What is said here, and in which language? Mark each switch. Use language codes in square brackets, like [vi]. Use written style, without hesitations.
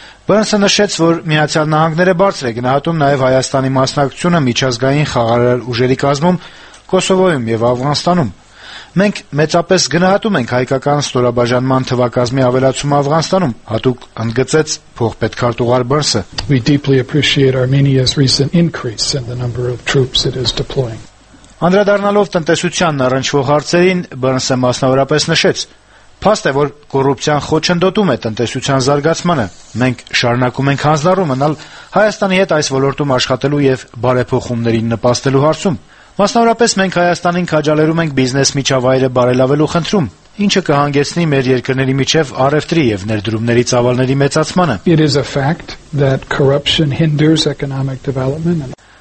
[hy] Բերնզը նշեց, որ Միացյալ Նահանգները բարձր է գնահատում նաև Հայաստանի մասնակցությունը միջազգային խաղարար ուժերի կազմում, Կոսովոյում և Աֆղանստանում։ Մենք մեծապես գնահատում ենք հայկական ստորաբաժանման թվակազմի ավելացումը Աֆղանստանում, հատուկ ընդգծեց փոխպետքարտուղար Բերնզը. [en] We deeply appreciate Armenia's recent increase in the number of troops it is deploying. [hy] Անդրադառնալով տնտեսությանն առնչվող հարցերին, Բերնզը մասնավորապես նշեց. Փաստ է, որ կոռուպցիան խոչընդոտում է տնտեսության զարգացմանը։ Մենք շարունակում ենք հանձնարարում մնալ Հայաստանի հետ այս ոլորտում աշխատելու և բարեփոխումներին նպաստելու հարցում։ Մասնավորապես մենք Հայաստանին քաջալերում ենք բիզնես միջավայրը բարելավելու խնդրում, ինչը կհանգեցնի մեր երկրների միջև առևտրի և ներդրումների ծավալների մեծացմանը։